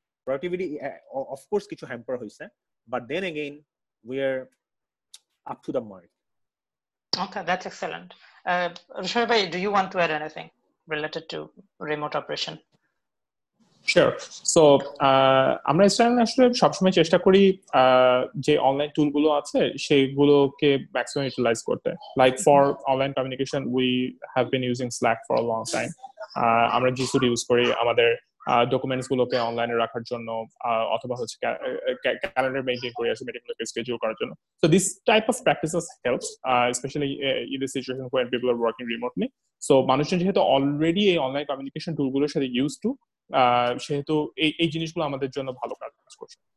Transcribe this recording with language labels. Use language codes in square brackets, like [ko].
[en] Productivity, of course, [bn] kichu hamper hoise, [en] but then again, we're up to the mark. Okay, that's excellent. Rishabh bhai, do you want to add anything related to remote operation? Sure. [bn] So, আমরা style আসলে সবসময় চেষ্টা করি যে online tool গুলো আছে সেগুলোকে maximum utilise করতে. [en] Like for online communication, we have been using Slack for a long time. [bn] আমরা G Suite ইউজ করি আমাদের documents গুলোকে অনলাইনে রাখার জন্য, অথবা হচ্ছে ক্যালেন্ডার মেইনটেইন করি আছে মিটিংগুলোকে স্কেডিউল করার জন্য. [en] So this type of practices helps, especially in the situation where people are working remotely. [bn] So মানুষজন যেহেতু অলরেডি এই অনলাইন কমিউনিকেশন টুলগুলোর সাথে ইউজ টু, সেহেতু এই জিনিসগুলো আমাদের জন্য ভালো কাজ করছে.